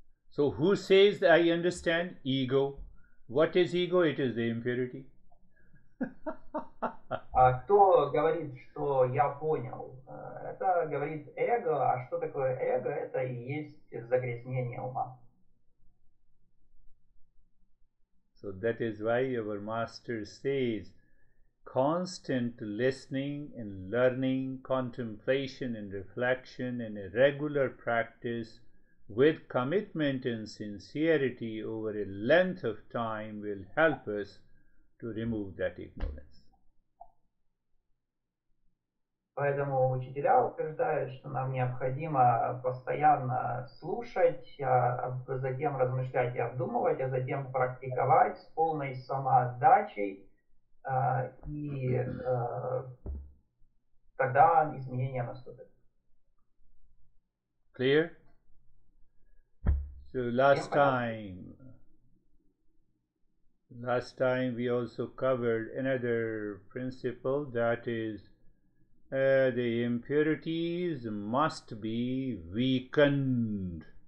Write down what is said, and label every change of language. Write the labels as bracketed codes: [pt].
[en] So who says that I understand? Ego. What is ego? It is the impurity. [ru] Кто говорит, что я понял? Это говорит эго. А что такое эго? Это и есть загрязнение ума. So that is why our master says constant listening and learning, contemplation and reflection and a regular practice with commitment and sincerity over a length of time will help us to remove that ignorance. Поэтому учителя утверждают, что нам необходимо постоянно слушать, а затем размышлять и обдумывать, а затем практиковать с полной самоотдачей, и тогда изменения наступят. [en] Clear? So last time we also covered another principle, that is the impurities must be weakened.